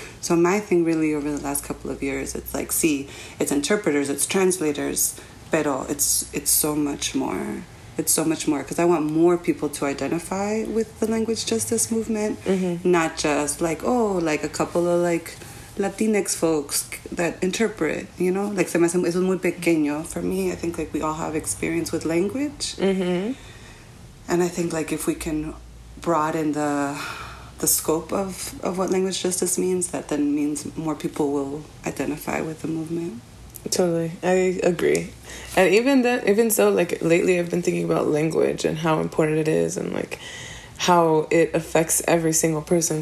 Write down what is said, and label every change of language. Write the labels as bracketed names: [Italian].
[English] So my thing really over the last couple of years, it's like, see, it's interpreters, it's translators, but it's so much more. It's so much more, because I want more people to identify with the language justice movement, mm-hmm. not just like, oh, like a couple of like Latinx folks that interpret, you know? [Spanish] Like, se me hace, eso es muy pequeño [English] for me. I think, like, we all have experience with language. Mm-hmm. And I think, like, if we can broaden the scope of what language justice means, that then means more people will identify with the movement. Totally. I agree. And even that, even so, like, lately I've been thinking about language and how important it is and, like, how it affects every single person.